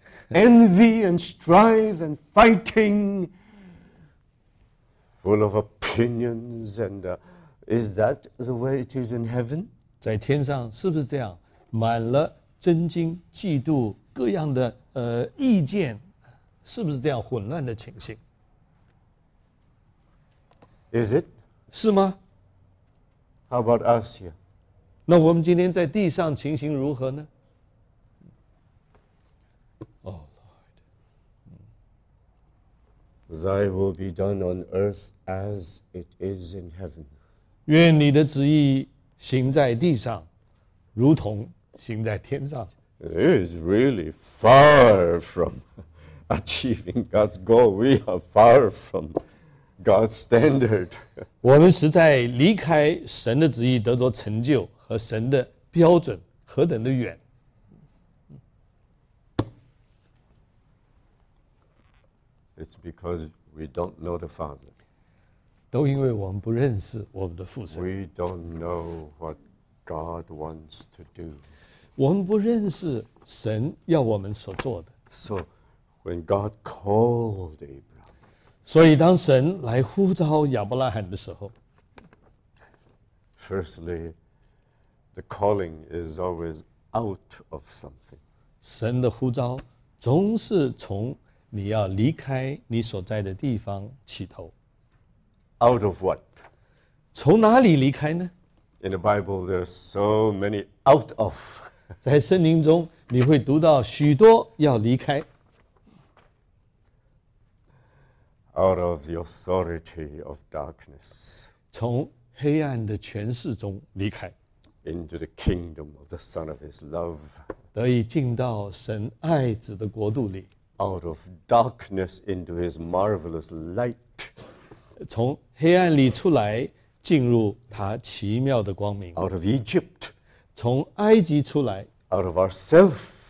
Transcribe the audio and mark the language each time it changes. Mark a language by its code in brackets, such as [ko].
[en] Envy and strife and fighting, full of opinions and is that the way it is in heaven? [zh] 在天上是不是这样？满了争经、嫉妒、各样的意见，是不是这样混乱的情形 [en] ？Is it? [zh] 是吗 [en] ？How about us here? [zh] 那我们今天在地上情形如何呢 ？ [en] Oh Lord, Thy will be done on earth as it is in heaven. [zh] 愿你的旨意行在地上，如同行在天上。 [en] It is really far from achieving God's goal. We are far from God's standard. [zh] 我们实在离开神的旨意得着成就。和神的标准何等的远 [en] ？It's because we don't know the Father. [zh] 都因为我们不认识我们的父神。 [en] We don't know what God wants to do. [zh] 我们不认识神要我们所做的。 [en] So when God called Abraham, [zh] 所以当神来呼召亚伯拉罕的时候 [en] ，Firstly. The calling is always out of something. [zh] 神的呼召总是从你要离开你所在的地方起头。 [en] Out of what? [zh] 从哪里离开呢 [en] ？In the Bible, there are so many out of. [zh] 在圣经中你会读到许多要离开。 [en] Out of the authority of darkness. [zh] 从黑暗的权势中离开。 [en] Into the kingdom of the Son of His love. [zh] 得以进到神爱子的国度里。 [en] Out of darkness into His marvelous light. [zh] 从黑暗里出来，进入他奇妙的光明。 [en] Out of Egypt. [zh] 从埃及出来。 [en] Out of ourself.